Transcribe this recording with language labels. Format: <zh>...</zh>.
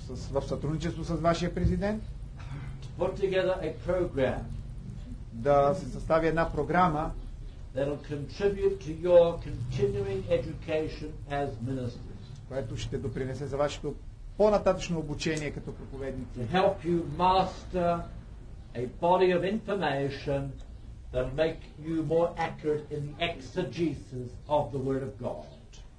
<bg>В сътрудничество с вашия президент.</bg> <en>To put together a program.</en> <bg>Да се състави една програма.</bg> <en>That will contribute to your continuing education as ministers.</en> <bg>Което ще допринесе за вашето по-нататъчно обучение като проповедници.</bg> <en>To help you master a body of information that will make you more accurate in the exegesis of the Word of God.</en>